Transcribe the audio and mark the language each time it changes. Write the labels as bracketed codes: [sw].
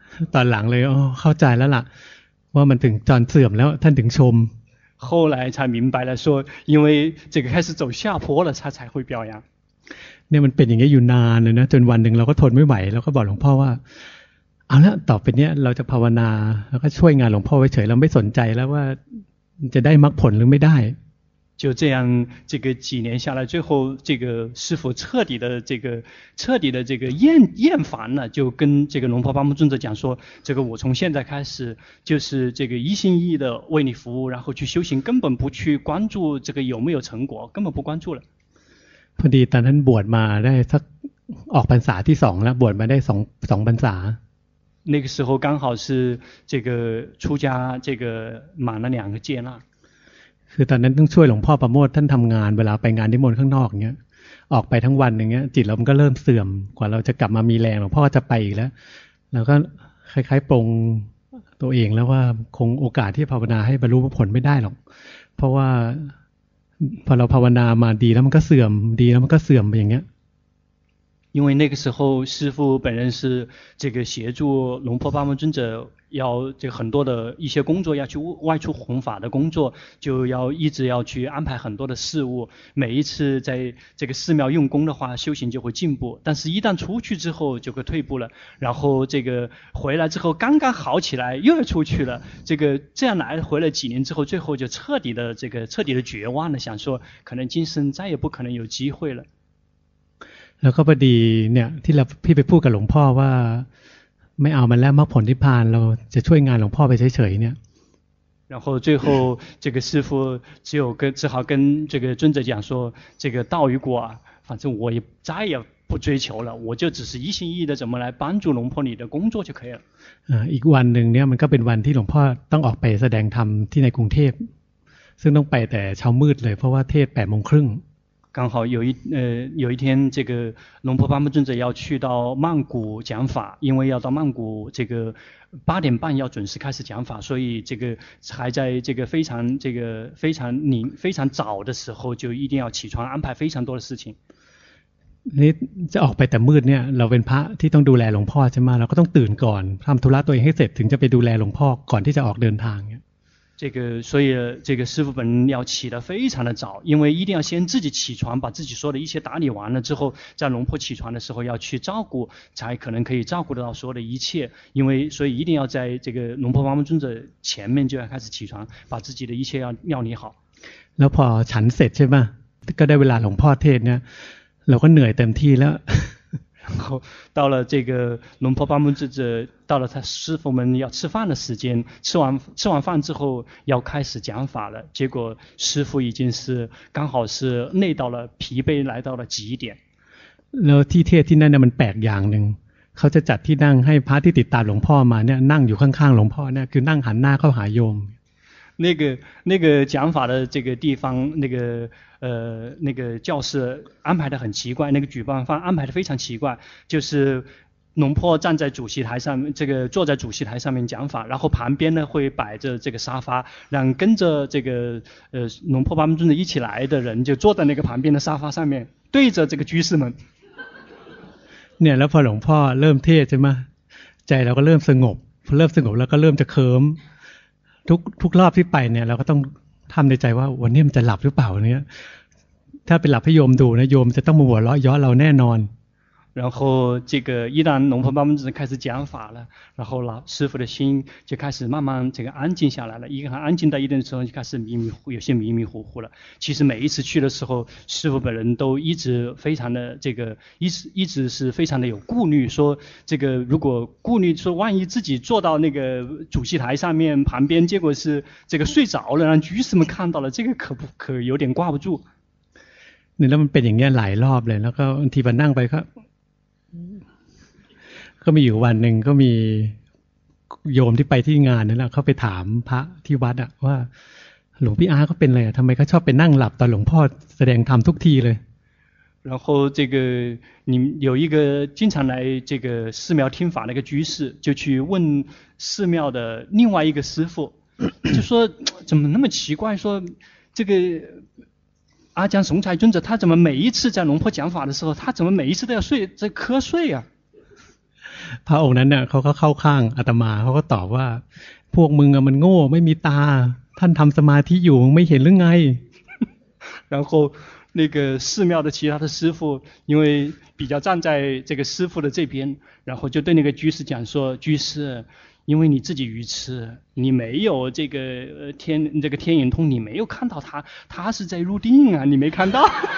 [zh] 但然了哦， [th] เข้าใจแล้วล่ะว่ามันถึงจนเสื่อมแล้วท่านถึงชม [zh] 后来才明白了说因为这个开始走下坡了他才会表扬。 [th] เนี่ยมันเป็นอย่างนี้อยู่นานเลยนะจนวันหนึ่งเราก็ทนไม่ไหวเราก็บอกหลวงพ่อว่าเอาละต่อไปเนี้ยเราจะภาวนาแล้วก็ช่วยงานหลวงพ่อไว้เฉยเราไม่สนใจแล้วว่า จะได้มรรคผลหรือไม่ได้ [zh] 就这样这个几年下来最后这个师父彻底的这个彻底的这个厌烦了就跟这个龙婆巴木尊者讲说这个我从现在开始就是这个一心一意的为你服务然后去修行根本不去关注这个有没有成果根本不关注了 [th] พอดีตอนนั้นบวชมาได้สักออกพรรษาที่สองแล้วบวชมาได้สองพรรษา [zh] 那个时候刚好是这个出家这个满了两个戒啦 [th] คือตอนนั้นต้องช่วยหลวงพ่อประโมทท่านทำงานเวลาไปงานนิมนต์ข้างนอกเงี้ยออกไปทั้งวันอย่างเงี้ยจิตเรามันก็เริ่มเสื่อมกว่าเราจะกลับมามีแรงหลวงพ่อจะไปอีกแล้วเราก็คล้ายๆปรงตัวเองแล้วว่าคงโอกาสที่ภาวนาให้บรรลุผลไม่ได้หรอกเพราะว่าพอเราภาวนามาดีแล้วมันก็เสื่อมดีแล้วมันก็เสื่อมไปอย่างเงี้ย [zh] 因为那个时候师父本人是这个协助龙婆巴木尊者要这个很多的一些工作要去外出弘法的工作就要一直要去安排很多的事物每一次在这个寺庙用功的话修行就会进步但是一旦出去之后就会退步了然后这个回来之后刚刚好起来又要出去了这个这样来回来几年之后最后就彻底的这个彻底的绝望了想说可能今生再也不可能有机会了 [th] แล้วก็พอดีเนี่ยที่เราพี่ไปพูดกับหลวงพ่อว่าไม่เอามันแล้วมรรคผลนิพพานเราจะช่วยงานหลวงพ่อไปเฉยๆเนี่ย [zh] 然后最后这个师父只有跟只好跟这个尊者讲说这个道与果反正我也再也不追求了我就只是一心一意的怎么来帮助龙婆你的工作就可以了 [th] อีกวันหนึ่งเนี่ยมันก็เป็นวันที่หลวงพ่อต้องออกไปแสดงธรรมที่ในกรุงเทพซึ่งต้องไปแต่เช้ามืดเลยเพราะว่าเทศแปดโมงครึ่ง [zh] 刚好有一天这个龙婆巴木尊者要去到曼谷讲法因为要到曼谷这个八点半要准时开始讲法所以这个还在这个非常这个非常你非常早的时候就一定要起床安排非常多的事情 [th] นี่จะออกไปแต่มืดเนี่ยเราเป็นพระที่ต้องดูแลหลวงพ่อใช่ไหมเราก็ต้องตื่นก่อนทำธุระตัวเองให้เสร็จถึงจะไปดูแลหลวงพ่อก่อนที่จะออกเดินทาง [zh] 这个所以这个师父本人要起得非常的早因为一定要先自己起床把自己说的一切打理完了之后在龙婆起床的时候要去照顾才可能可以照顾得到所有的一切因为所以一定要在这个龙婆巴木尊者前面就要开始起床把自己的一切要料理好 [th] แล้วพอฉันเสร็จใช่ไหมก็ได้เวลาหลวงพ่อเทศน์เนี่ยเราก็เหนื่อยเต็มที่แล้ว [zh] 然后到了这个龙婆巴木尊者到了他师父们要吃饭的时间吃完饭之后要开始讲法了结果师父已经是刚好是累到了疲惫来到了极点 [th] แล้วที่เทศที่นั่นมันแปลกอย่างหนึ่งเขาจะจัดที่นั่งให้พระที่ติดตามหลวงพ่อมาเนี่ยนั่งอยู่ข้างๆหลวงพ่อเนี่ยคือนั่งหันหน้าเข้าหาโยม [zh] 那个讲法的这个地方那个教室安排的很奇怪那个举办方安排的非常奇怪就是龙婆站在主席台上这个坐在主席台上面讲法然后旁边呢会摆着这个沙发让跟着这个龙婆巴木尊者一起来的人就坐在那个旁边的沙发上面对着这个居士们那然后龙婆 [th] เริ่มเทศใช่ไหมใจเราก็เริ่มสงบเริ่มสงบแล้วก็เริ่มจะเคลิ้มทุกรอบที่ไปเนี่ยเราก็ต้องทำในใจว่าวันนี้มันจะหลับหรือเปล่าเนี่ยถ้าเป็นหลับให้โยมดูนะโยมจะต้องมาหัวเราะย้อนเราแน่นอน [zh] 然后这个一旦龙婆巴木尊者开始讲法了然后老师父的心就开始慢慢这个安静下来了一个很安静到一定的时候就开始有些迷迷糊糊了其实每一次去的时候师父本人都一直非常的这个一直是非常的有顾虑说这个如果顾虑说万一自己坐到那个主席台上面旁边结果是这个睡着了让居士们看到了这个可有点挂不住那么被人家来了然后提本浪费 [th] ก็มีอยู่วันหนึ่งก็มีโยมที่ไปที่งานนั่นแหละเขาไปถามพระที่วัดอ่ะว่าหลวงพี่อาเขาเป็นอะไรทำไมเขาชอบไปนั่งหลับตอนหลวงพ่อแสดงธรรมทุกทีเลย [zh] 然后这个你有一个经常来这个寺庙听法那个居士就去问寺庙的另外一个师父就说怎么那么奇怪说这个阿江雄才尊者他怎么每一次在龙婆讲法的时候他怎么每一次都要睡在瞌睡啊 [th] พระองค์นั้นเนี่ยเขาก็เข้าข้างอาตมาเขาก็ตอบว่าพวกมึงอะมันโง่ไม่มีตาท่านทำสมาธิอยู่ไม่เห็นหรือไง [zh] 然后那个寺庙的其他的师父因为比较站在这个师父的这边然后就对那个居士讲说居士因为你自己愚痴，你没有这个天眼通，你没有看到他，他是在入定啊，你没看到。